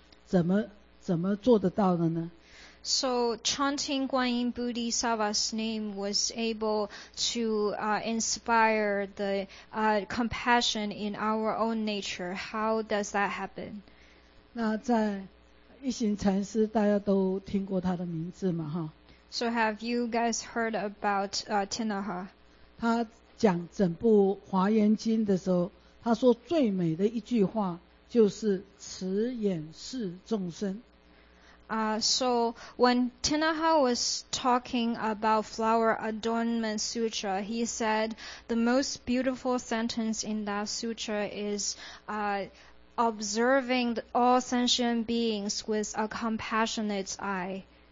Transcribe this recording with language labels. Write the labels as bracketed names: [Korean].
[Chinese] 那就是我们持名念佛念观音的圣号，它可以唤起我们自信慈悲的力量，怎么做得到的呢？ [English] So chanting Guanyin Bodhisattva's name was able to inspire the compassion in our own nature. How does that happen? [Chinese] 那在一行禅师大家都听过他的名字嘛，哈。 [English] So have you guys heard about Tinaha? [Chinese] 他讲整部华严经的时候，他说最美的一句话就是慈眼视众生。 [English] So when Tinaha was talking about Flower Adornment Sutra, he said the most beautiful sentence in that sutra is observing all sentient beings with a compassionate eye.